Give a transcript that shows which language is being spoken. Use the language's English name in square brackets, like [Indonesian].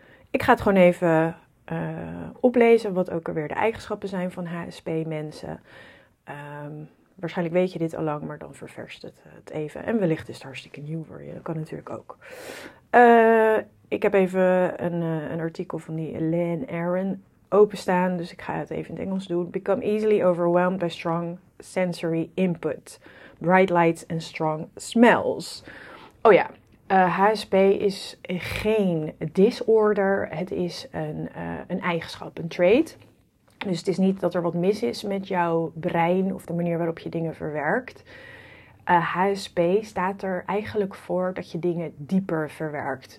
[Dutch] Ik ga het gewoon even oplezen wat ook alweer de eigenschappen zijn van HSP-mensen. Waarschijnlijk weet je dit al lang, maar dan ververst het even. En wellicht is het hartstikke nieuw voor je. Dat kan natuurlijk ook. Ik heb even een artikel van die Elaine Aron openstaan. Dus ik ga het even in het Engels doen. [English] Become easily overwhelmed by strong sensory input. Bright lights and strong smells. [Dutch] Oh ja, HSP is geen disorder. Het is een eigenschap, een trait. Dus het is niet dat er wat mis is met jouw brein of de manier waarop je dingen verwerkt. HSP staat er eigenlijk voor dat je dingen dieper verwerkt.